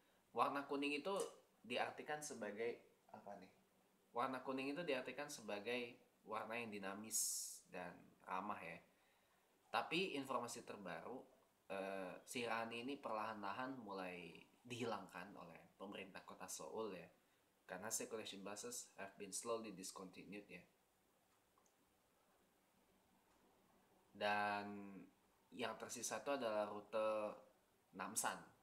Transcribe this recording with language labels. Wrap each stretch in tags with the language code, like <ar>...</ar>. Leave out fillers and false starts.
<id>Warna kuning itu diartikan sebagai apa nih? Warna kuning itu diartikan sebagai warna yang dinamis dan ramah ya. Tapi informasi terbaru, si Rani ini perlahan-lahan mulai dihilangkan oleh pemerintah kota Seoul ya. Karena</id> <en>circulation buses have been slowly discontinued ya.</en> <id>Dan yang tersisa itu adalah rute Namsan.</id>